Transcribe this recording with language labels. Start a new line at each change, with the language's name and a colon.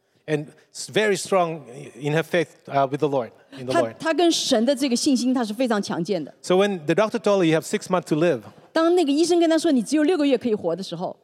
English: And very strong in her faith with the Lord. In the
Chinese: 她跟神的这个信心她是非常强健的。
English: So when the doctor told her you have 6 months to live,
Chinese: 当那个医生跟她说你只有六个月可以活的时候,